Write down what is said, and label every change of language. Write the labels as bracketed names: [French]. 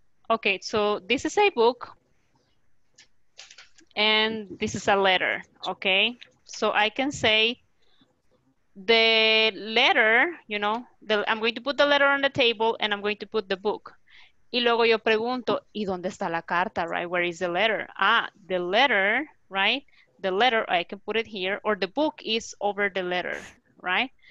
[English] Okay, so this is a book and this is a letter, okay? So I can say the letter, you know, I'm going to put the letter on the table and I'm going to put the book. [Spanish] Y luego yo pregunto, ¿y dónde está la carta, right? [English] Where is the letter? Ah, the letter, right? The letter, I can put it here, or the book is over the letter, right?